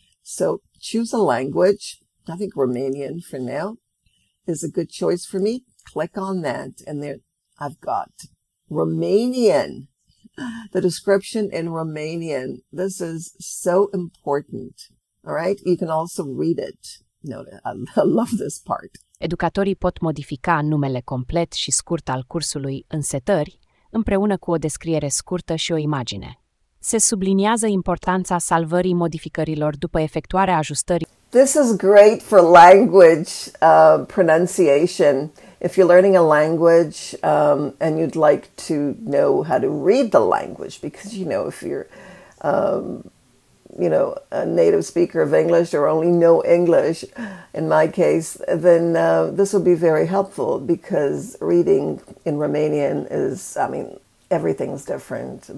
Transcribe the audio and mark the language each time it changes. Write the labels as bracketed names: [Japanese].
[English] So choose a language. I think Romanian for now is a good choice for me. Click on that, and there I've got Romanian. The description in Romanian, this is so important. All right, you can also read it. Notice, I love this part. [Romanian] Educatorii pot modifica numele complet și scurt al cursului în setări, împreună cu o descriere scurtă și o imagine. Se subliniază importanța salvării modificărilor după efectuarea ajustării. [English] This is great for language pronunciation. If you're learning a language and you'd like to know how to read the language, because, you know, if you're, a native speaker of English or only know English, in my case, then this will be very helpful, because reading in Romanian is, everything's different.